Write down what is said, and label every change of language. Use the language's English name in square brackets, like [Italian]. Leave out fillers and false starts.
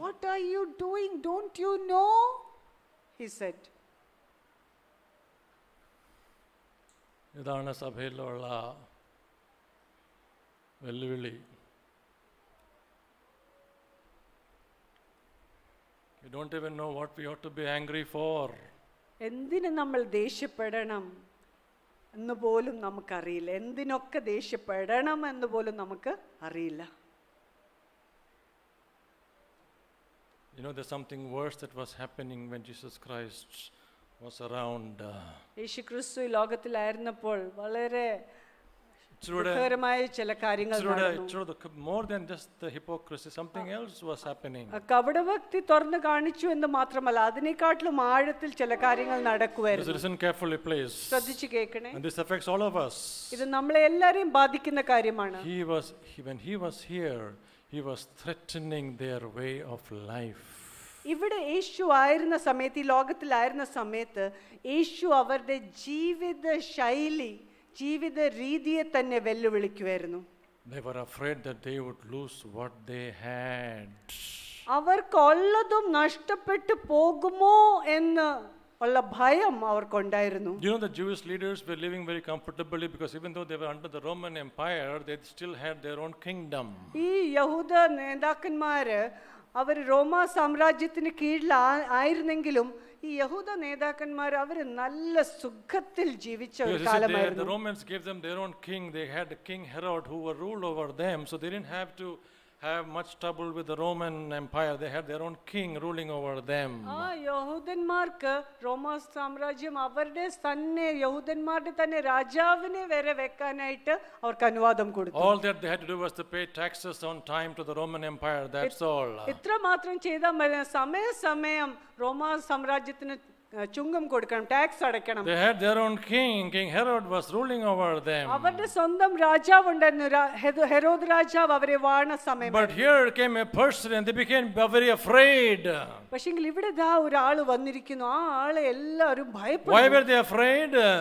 [English] What are you doing? Don't you know? He said. [Malayalam] ഇതാണ് സഭയിലുള്ള വെല്ലുവിളി. [English] We don't even know what we ought to be angry for. [Malayalam] എന്തിനെ നമ്മൾ ദേഷ്യപ്പെടണം എന്ന് പോലും നമുക്കറിയില്ല. എന്തിനൊക്കെ ദേഷ്യപ്പെടണം എന്ന് പോലും നമുക്ക് അറിയില്ല. [English] You know, there's something worse that was happening when Jesus Christ was around. [Malayalam] യേശു ക്രിസ്തു ലോകത്തിലായിരുന്നപ്പോൾ വളരെ ദുഃഖകരമായ ചില കാര്യങ്ങൾ നടന്നു. [English] More than just the hypocrisy, something else was happening. [Malayalam] കപടഭക്തി തുറന്നു കാണിച്ചു എന്ന് മാത്രമല്ല, അതിനേക്കാട്ടിലും ആഴത്തിൽ ചില കാര്യങ്ങൾ നടക്കുകയായിരുന്നു. [English] Listen carefully, please. [Malayalam] ശ്രദ്ധിച്ചു കേൾക്കണേ. [English] And this affects all of us. [Malayalam] ഇത് നമ്മളെ എല്ലാവരെയും ബാധിക്കുന്ന കാര്യമാണ്. [English] When he was here, he was threatening their way of life. [Malayalam] ഇവിടെ യേശു ആയിരുന്ന സമയത്ത്, ഈ ലോകത്തിലായിരുന്ന സമയത്ത് യേശു അവരുടെ ജീവിത ശൈലി, ജീവിത രീതിയെ തന്നെ വെല്ലുവിളിക്കുകയായിരുന്നു. [English] They were afraid that they would lose what they had. [Malayalam] അവർക്ക് ഉള്ളതും നഷ്ടപ്പെട്ടു പോകുമോ എന്ന് ഉള്ള ഭയം അവർക്കുണ്ടായിരുന്നു. [English] You know, the Jewish leaders were living very comfortably because even though they were under the Roman Empire, they still had their own kingdom. [Malayalam] ഈ യഹൂദ നേതാക്കന്മാരെ അവർ റോമാ സാമ്രാജ്യത്തിന് കീഴിലായിരുന്നെങ്കിലും ഈ യഹൂദ നേതാക്കന്മാർ അവർ നല്ല സുഖത്തിൽ ജീവിച്ച ഒരു കാലമായിരുന്നു. [English] The Romans gave them their own king. They had a king Herod who were ruled over them, so they didn't have to have much trouble with the Roman Empire. They had their own king ruling over them. [Malayalam] ആ യഹൂദന്മാർക്ക് റോമാ സാമ്രാജ്യം അവരുടെ തന്നെ യഹൂദന്മാരുടെ തന്നെ രാജാവിനെ വരെ വെക്കാനായിട്ട് അവർക്ക് അനുവാദം കൊടുത്തു. [English] All that they had to do was to pay taxes on time to the Roman Empire. That's all. [Malayalam] ഇത്ര മാത്രം ചെയ്താൽ മതി. സമയാസമയം റോമാ സാമ്രാജ്യത്തിന് ചുങ്കം കൊടുക്കണം, ടാക്സ് അടയ്ക്കണം. [English] They had their own king. King Herod was ruling over them. [Malayalam] അവരുടെ സ്വന്തം രാജാവ് ഉണ്ടായിരുന്നു. ഹെരോദ് രാജാവ് അവരെ വാണ സമയം. [English] But here came a person and they became very afraid. [Malayalam] പക്ഷേ ഇവിടെ ദാ ഒരാൾ വന്നിരിക്കുന്നു. ആ ആളെ എല്ലാവരും ഭയപ്പെട്ടു. [English] Why were they afraid?